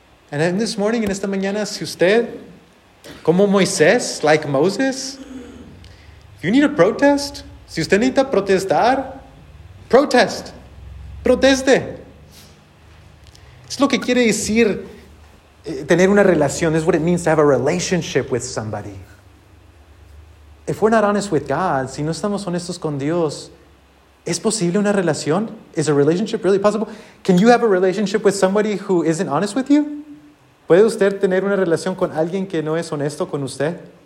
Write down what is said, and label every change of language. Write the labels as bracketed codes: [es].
[en] And then this morning, [es] en esta mañana, si usted, como Moisés, [en] like Moses, if you need a protest, [es] si usted necesita protestar, [en] protest. [es] Proteste. Es lo que quiere decir tener una relación. [en] This is what it means to have a relationship with somebody. If we're not honest with God, [es] si no estamos honestos con Dios, ¿es posible una relación? [en] Is a relationship really possible? Can you have a relationship with somebody who isn't honest with you? [es] ¿Puede usted tener una relación con alguien que no es honesto con usted?